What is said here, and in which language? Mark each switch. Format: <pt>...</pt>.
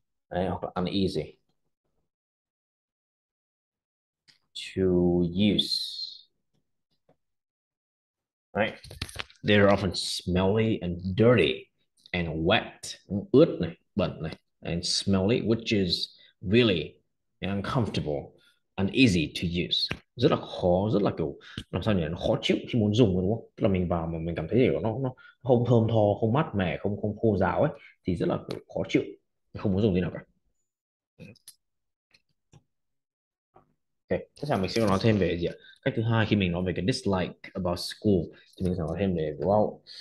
<vi>Đấy, hoặc là</vi> <en>uneasy to use. Right, they're often smelly and dirty and wet.</en> <vi>Ướt này, bẩn này,</vi> <en>and smelly, which is really uncomfortable and easy to use.</en> <vi>Rất là khó, rất là kiểu làm sao nhỉ, nó khó chịu khi muốn dùng đúng không? Là mình vào mà mình cảm thấy kiểu nó không thơm tho, không mát mẻ, không khô ráo ấy, thì rất là kiểu khó chịu, không muốn dùng gì nào cả. Okay, chắc là mình sẽ nói thêm về gì ạ? Cách thứ hai khi mình nói về cái</vi> <en>dislike about school</en> <vi>thì mình sẽ nói thêm về wow.</vi>